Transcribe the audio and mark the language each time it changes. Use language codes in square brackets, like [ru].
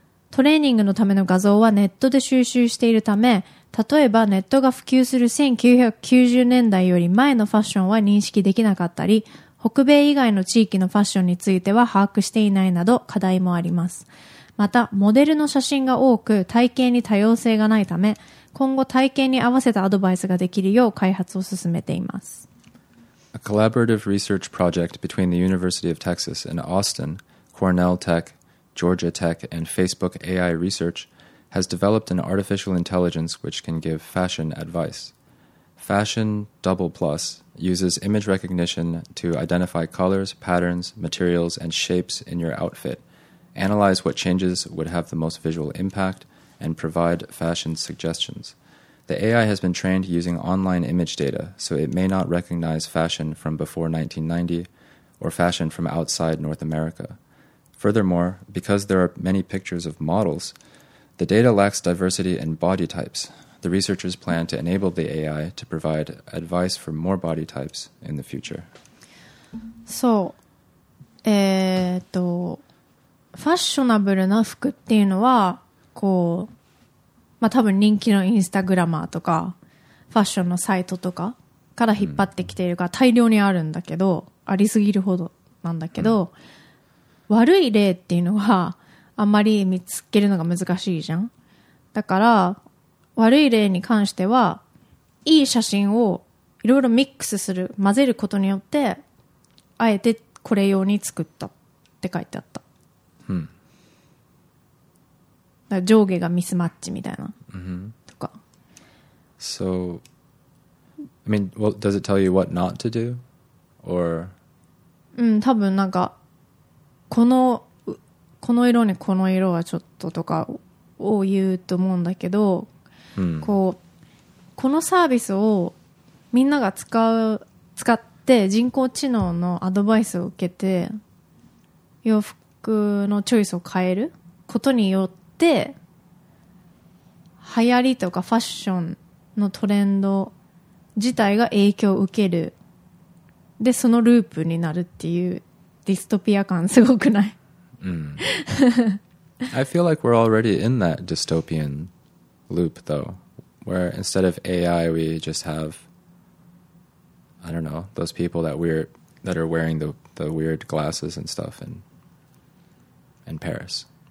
[ja] トレーニングのための画像はネットで収集しているため、例えばネットが普及する1990年代より前のファッションは認識できなかったり、北米以外の地域のファッションについては把握していないなど課題もあります。また、モデルの写真が多く体型に多様性がないため、今後体型に合わせたアドバイスができるよう開発を進めています。 [en] A collaborative research project between the University of Texas and Austin, Cornell Tech, Georgia Tech, and Facebook AI Research,has developed an artificial intelligence which can give fashion advice. Fashion Double Plus uses image recognition to identify colors, patterns, materials, and shapes in your outfit, analyze what changes would have the most visual impact, and provide fashion suggestions. The AI has been trained using online image data, so it may not recognize fashion from before 1990 or fashion from outside North America. Furthermore, because there are many pictures of models,The data lacks diversity in body types. The researchers plan to enable the AI to provide advice for more body types in the future. [ja] そう、ファッショナブルな服っていうのは、こう、まあ多分人気のインスタグラマーとか、ファッションのサイトとかから引っ張ってきているから大量にあるんだけど、ありすぎるほどなんだけど、悪い例っていうのは、あんまり見つけるのが難しいじゃん。だから悪い例に関してはいい写真をいろいろミックスする混ぜることによってあえてこれ用に作ったって書いてあった、うん、だから上下がミスマッチみたいな、うん、とか [en] So I mean, well, does it tell you what not to do? Or [ja] うん、多分なんかこの色にこの色はちょっととかを言うと思うんだけど、うん、こうこのサービスをみんなが使って人工知能のアドバイスを受けて洋服のチョイスを変えることによって流行りとかファッションのトレンド自体が影響を受けるでそのループになるっていうディストピア感すごくない？ [en] I feel like we're already in that dystopian loop, though, where instead of AI, we just have, I don't know, those people that are wearing the weird glasses and stuff in Paris.